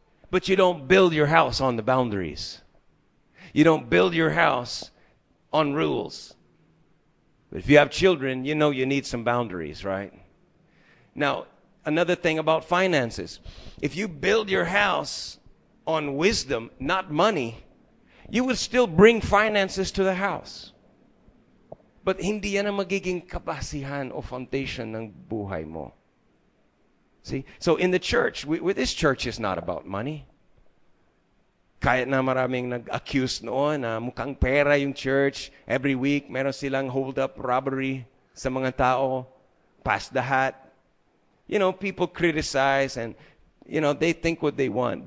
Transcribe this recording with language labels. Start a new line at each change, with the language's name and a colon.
English: But you don't build your house on the boundaries. You don't build your house on rules. But if you have children, you know you need some boundaries, right? Now, another thing about finances. If you build your house on wisdom, not money, you will still bring finances to the house.
Filipino: But hindi yan ang magiging kabasihan o foundation ng buhay mo.
English: See? So in the church, this church is not about money.
Filipino: Kahit na maraming nag-accuse noon na mukhang pera yung church.
English: Every week,
Filipino: meron silang
English: hold-up robbery
Filipino: sa mga tao.
English: Pass the hat. You know, people criticize and, you know, they think what they want.